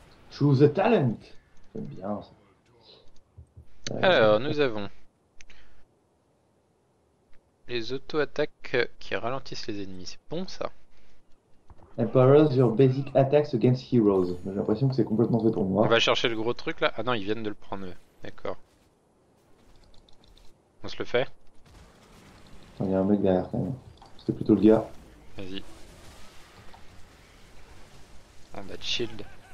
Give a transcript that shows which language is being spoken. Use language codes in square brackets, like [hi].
[en] Choose a talent. [fr] J'aime bien ça. Alors, nous avons les auto-attaques qui ralentissent les ennemis. C'est bon ça. [en] Empowers your basic attacks against heroes. [fr] J'ai l'impression que c'est complètement fait pour moi. On va chercher le gros truc là. Ah non, ils viennent de le prendre. D'accord. On se le fait. Il y a un mec derrière quand même. C'était plutôt le gars. Vas-y. On a de shield.